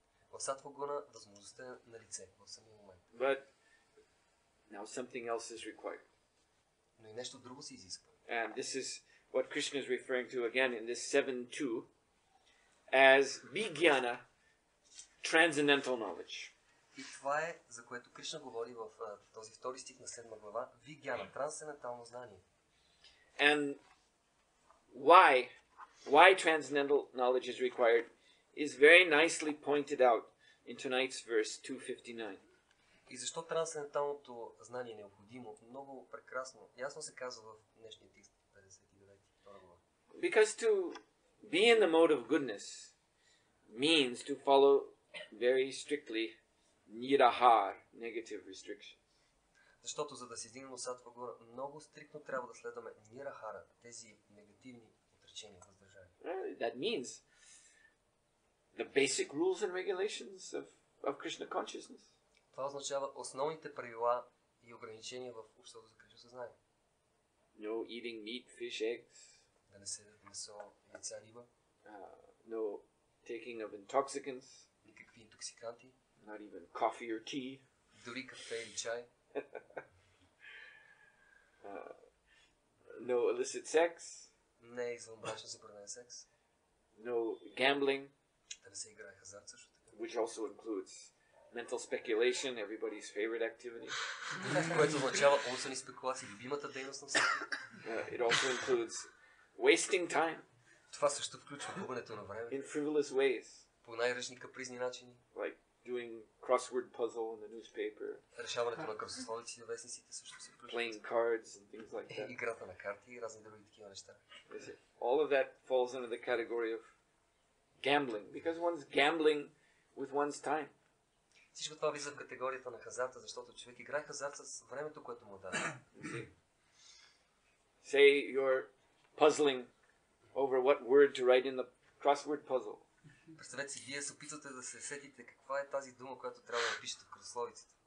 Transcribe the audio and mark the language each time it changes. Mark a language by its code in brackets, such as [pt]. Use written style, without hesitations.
[bg] В сатва гуна възможността е на лице в самия момент. [en] But now something else is required. [bg] Но и нещо друго се изисква. [en] And this is what Krishna is referring to again in this 7.2. as Бигьяна, transcendental knowledge. [bg] И това е, за което Кришна говори в този втори стих на седма глава, Бигьяна, трансцендентално знание. [en] And why transcendental knowledge is required is very nicely pointed out in tonight's verse 259. [bg] И защо трансценденталното знание е необходимо, много прекрасно, ясно се казва в днешния текст 59-ти глава. [en] Because to be in the mode of goodness means to follow very strictly nirahar, negative restrictions. [bg] Защото за да се издигнем от сатва гора, много стриктно трябва да следваме нирахара, тези негативни отречения, въздържания. [en] That means the basic rules and regulations of Krishna consciousness. [bg] Това означава основните правила и ограничения в общото за Кришна съзнание. [en] No eating meat, fish, eggs. [bg] Да не се едат месо, яйца, риба. [en] No taking of intoxicants. [bg] Никакви интоксиканти. [en] Not even coffee or tea. [bg] Дори кафе или чай. [en] No illicit sex. [bg] Не извънбрачно забранен секс. [en] No gambling. [bg] Да не се играе хазарт също така. [en] Which also includes mental speculation, everybody's favorite activity. [bg] Което означава умствени спекулации, любимата дейност на всеки. [en] It also includes wasting time. [bg] Това също включва губенето на време. [en] In frivolous ways. [bg] По най-различни капризни начини. [en] Like doing crossword puzzle in the newspaper. [bg] Решаването на кръстословици и вестниците също се включва. [en] Playing cards and things like that. [bg] Играта на карти и разни други такива неща. [en] All of that falls under the category of gambling, because one's gambling with one's time. [bg] Всичко това влиза в категорията на хазарта, защото човек играе хазарт с времето, което му дава. [en] Say you're puzzling over what word to write in the crossword puzzle. [bg] Представете си, вие се опитвате да се сетите каква е тази дума, която трябва да напишете в кръстословицата.